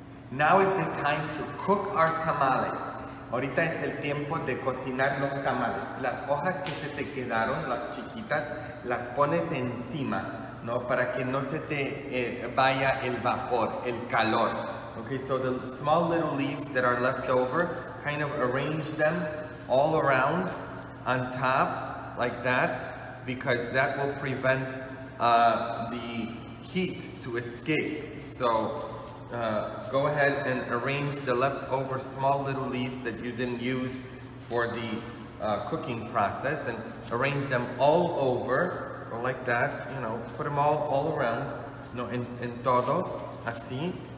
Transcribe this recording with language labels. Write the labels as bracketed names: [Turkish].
[English] Now is the time to cook our tamales. [Spanish] Ahorita es el tiempo de cocinar los tamales. Las hojas que se te quedaron, las chiquitas, las pones encima, ¿no? Para que no se te vaya el vapor, el calor. [English] Okay, so the small little leaves that are left over, kind of arrange them all around, on top, like that, because that will prevent the heat to escape. So, go ahead and arrange the leftover small little leaves that you didn't use for the cooking process and arrange them all over, or like that, you know, put them all around, no, en todo, así,